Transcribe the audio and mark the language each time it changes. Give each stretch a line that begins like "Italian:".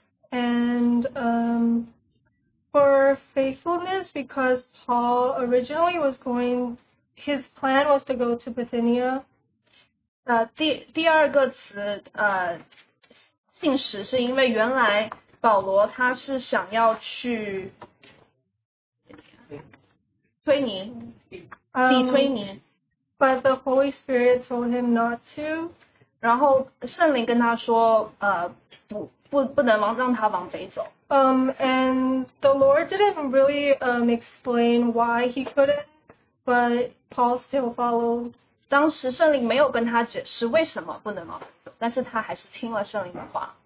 English: And for faithfulness because Paul originally was going, his plan was to go to Bithynia.
Chinese: 第二个词信实 是因为原来保罗他是想要去 推尼,
English: but the Holy Spirit told him not to.
Chinese: 然后圣灵跟他说, 不能让他往北走。
English: And the Lord didn't really explain why he couldn't, but Paul still followed.
Chinese: 当时圣灵没有跟他解释为什么不能往北走，但是他还是听了圣灵的话。